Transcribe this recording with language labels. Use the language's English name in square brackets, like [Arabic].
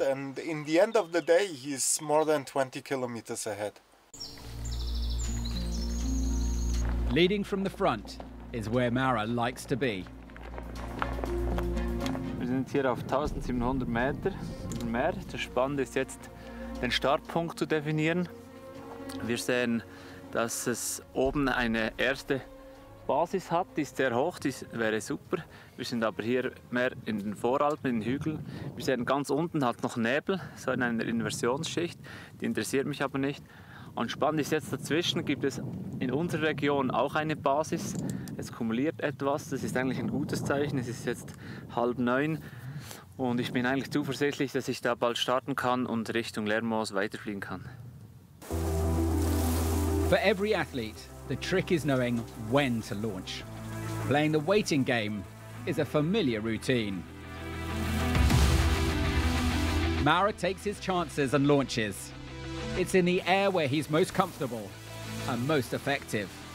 [English] And in the end of the day, he's more than 20 kilometers ahead. Leading from the front is where Maurer likes to be. [German] sind hier auf 1700 Meter und mehr. Das Spannende ist jetzt, den Startpunkt zu definieren. Wir sehen, dass es oben eine erste Basis hat, die ist sehr hoch, die wäre super. Wir sind aber hier mehr in den Voralpen, in den Hügeln. Wir sehen ganz unten hat noch Nebel, so in einer Inversionsschicht. Die interessiert mich aber nicht. Und spannend ist jetzt, dazwischen gibt es in unserer Region auch eine Basis. Es kumuliert etwas, das ist eigentlich ein gutes Zeichen. Es ist jetzt 8:30 und ich bin eigentlich zuversichtlich, dass ich da bald starten kann und Richtung Lermoos weiterfliegen kann. [English] For every athlete, the trick is knowing when to launch. Playing the waiting game is a familiar routine. Maurer takes his chances and launches. It's in the air where he's most comfortable and most effective.